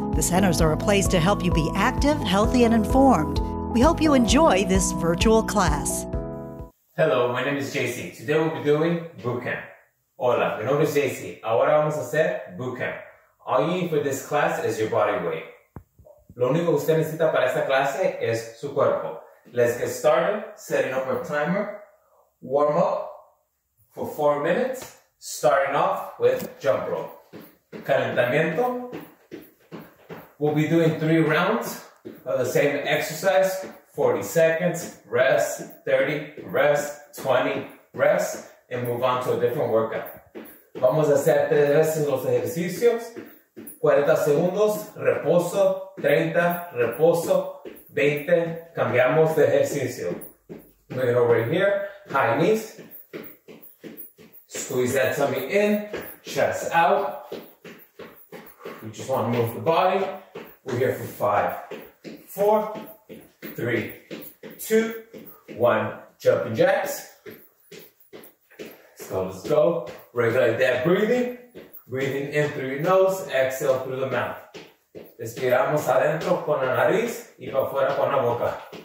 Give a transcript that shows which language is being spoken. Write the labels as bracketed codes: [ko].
[en] The centers are a place to help you be active, healthy, and informed. We hope you enjoy this virtual class. Hello, my name is JC. Today we'll be doing boot camp. [es] Hola, mi nombre es JC. Ahora vamos a hacer boot camp. [en] All you need for this class is your body weight. [es] Lo único que usted necesita para esta clase es su cuerpo. [en] Let's get started, setting up our timer. Warm up for 4 minutes, starting off with jump rope. Calentamiento. We'll be doing 3 rounds of the same exercise. 40 seconds, rest, 30, rest, 20, rest, and move on to a different workout. [es] Vamos a hacer 3 veces los ejercicios. 40 segundos, reposo, 30, reposo, 20, cambiamos de ejercicio. [en] Bring it over here, high knees. Squeeze that tummy in, chest out. We just want to move the body. We're here for 5, 4, 3, 2, 1, jumping jacks. So let's go. Regulate that breathing. Breathing in through your nose, exhale through the mouth. [es] Respiramos adentro con la nariz y para afuera con la boca.